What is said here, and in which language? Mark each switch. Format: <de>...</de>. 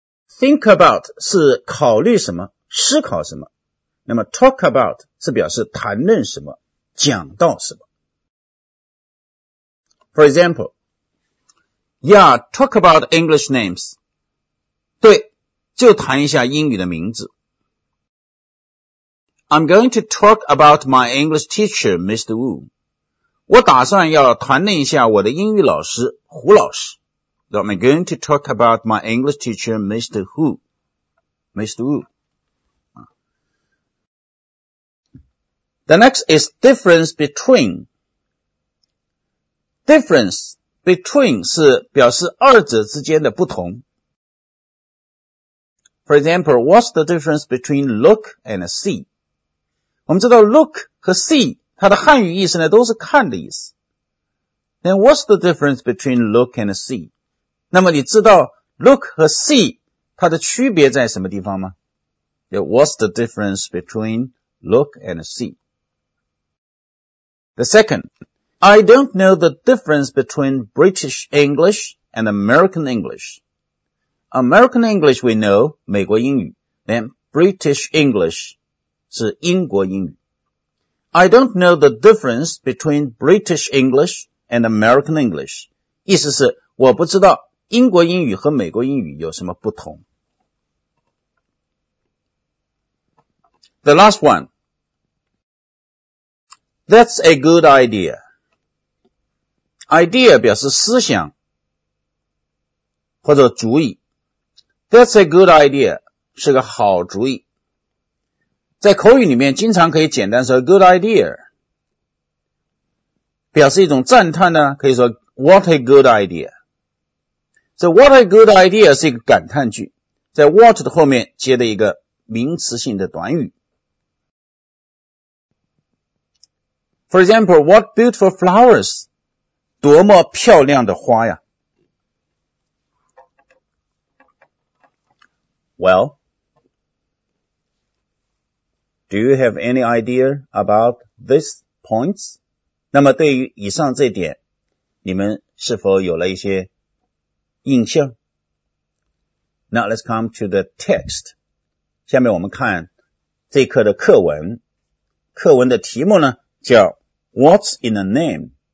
<zh>Think about 是考虑什么，思考什么，那么 talk about 是表示谈论什么，讲到什么。</zh> <en>For example, yeah, talk about English names.</en> <zh>对，就谈一下英语的名字。</zh> <en>I'm going to talk about my English teacher, Mr. Wu.</en> <zh>我打算要谈论一下我的英语老师胡老师。</zh> <en>I'm going to talk about my English teacher, Mr. Wu. Mr. Wu. The next is difference between. Difference between 是表示二者之间的不同。 For example, what's the difference between look and see?</en> <zh>我们知道 look 和 see, 它的汉语意思呢都是看的意思。</zh> <en>Then what's the difference between look and see?</en> <zh>那么你知道 look 和 see 它的区别在什么地方吗？</zh> <en>What's the difference between look and see? The second, I don't know the difference between British English and American English. American English we know, 美国英语。 Then British English 是英国英语。 I don't know the difference between British English and American English.</en> <zh>意思是我不知道英国英语和美国英语有什么不同。</zh> <en>The last one. That's a good idea.</en> <zh>Idea 表示思想或者主意。 That's a good idea 是个好主意。在口语里面经常可以简单说 good idea。表示一种赞叹呢可以说 what a good idea。So what a good idea 是一个感叹句，在 what 的后面接的一个名词性的短语。</zh> <en>For example, what beautiful flowers,</en> <zh>多么漂亮的花呀。</zh> <en>Well, do you have any idea about these points?</en> <zh>那么对于以上这点，你们是否有了一些印象。</zh> <en>Now let's come to the text.</en> <zh>下面我们看这课的课文。课文的题目呢叫 What's in a name?</zh>